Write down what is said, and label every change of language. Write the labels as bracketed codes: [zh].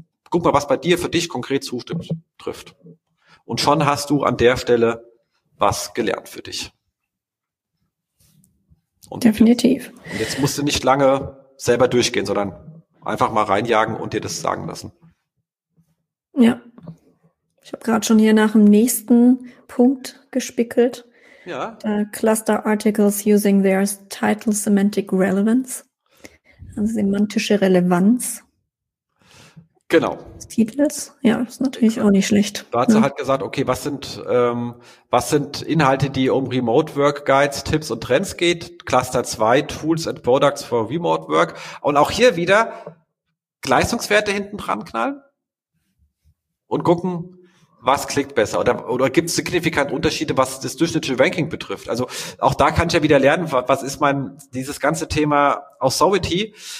[de] Guck mal, was bei dir für dich konkret zustimmt, trifft. Und schon hast du an der Stelle was gelernt für dich. Und definitiv. Und jetzt musst du nicht lange selber durchgehen, sondern einfach mal reinjagen und dir das sagen lassen. Ja. Ich habe gerade schon hier nach dem nächsten Punkt gespickelt. Ja. [en] Cluster Articles using their title semantic relevance. [de] Also semantische Relevanz. Genau. Des Titels. Ja, ist natürlich auch nicht schlecht. Da hat sie halt gesagt, okay, was sind Inhalte, die um Remote Work Guides, Tipps und Trends geht? [en] Cluster 2, Tools and Products for Remote Work. [de] Und auch hier wieder Leistungswerte hinten dran knallen. Und gucken, was klickt besser? Oder gibt es signifikant Unterschiede, was das durchschnittliche Ranking betrifft? Also auch da kann ich ja wieder lernen, was ist mein, dieses ganze Thema Authority.